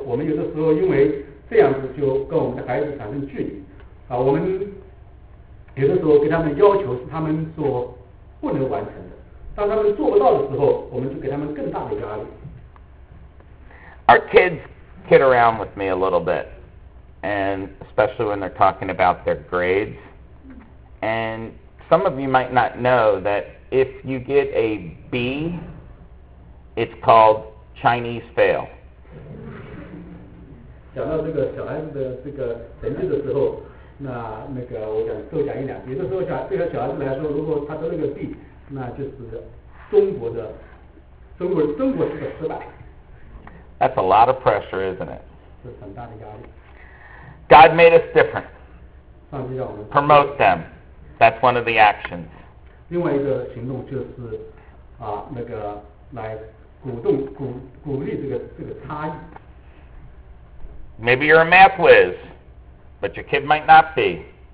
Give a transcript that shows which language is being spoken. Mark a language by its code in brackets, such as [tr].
[zh] 我们有的时候因为这样子就跟我们的孩子产生距离。啊，我们有的时候给他们要求是他们所不能完成的。当他们做不到的时候，我们就给他们更大的压力。 [en] Our kids kid around with me a little bit, and especially when they're talking about their grades. And some of you might not know that if you get a B, it's called Chinese fail. [zh] 讲到这个小孩子的这个成绩的时候，那个我想多讲一两。有的时候对小孩子来说，如果他得了个 B。那就是中国式的失败。 [en] That's a lot of pressure, isn't it? [zh] 这是很大的压力。 [en] God made us different. [zh] 上帝让我们 [en] promote them. That's one of the actions. [zh] 另外一个行动就是来鼓励这个差异。 [en] Maybe you're a math whiz, but your kid might not be.